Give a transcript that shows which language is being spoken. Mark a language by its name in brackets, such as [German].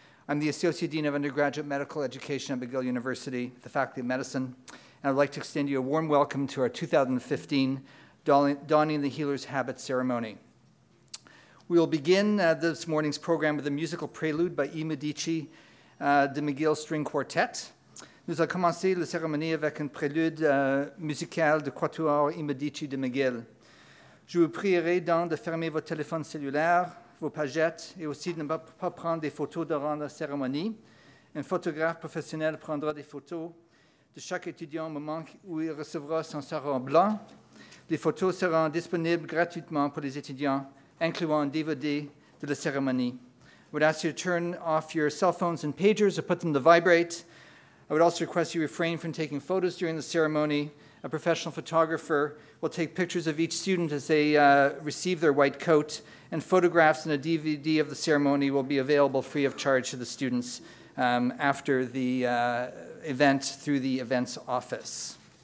[English] I'm the Associate Dean of Undergraduate Medical Education at McGill University, the Faculty of Medicine, and I'd like to extend you a warm welcome to our 2015 Donning the Healer's Habit ceremony. We will begin this morning's program with a musical prelude by I. Medici de McGill String Quartet. [French] Nous allons commencer la cérémonie avec un prélude musical de Quatuor I. Medici de McGill. Je vous prierai donc de fermer vos téléphones cellulaires, vos pagettes, et aussi de ne pas prendre des photos durant la cérémonie. Un photographe professionnel prendra des photos de chaque étudiant au moment où il recevra son sarrau blanc. Les photos seront disponibles gratuitement pour les étudiants, incluant DVD de la cérémonie. [English] I would ask you to turn off your cell phones and pagers or put them to vibrate. I would also request you refrain from taking photos during the ceremony. A professional photographer will take pictures of each student as they receive their white coat, and photographs and a DVD of the ceremony will be available free of charge to the students after the event through the events office.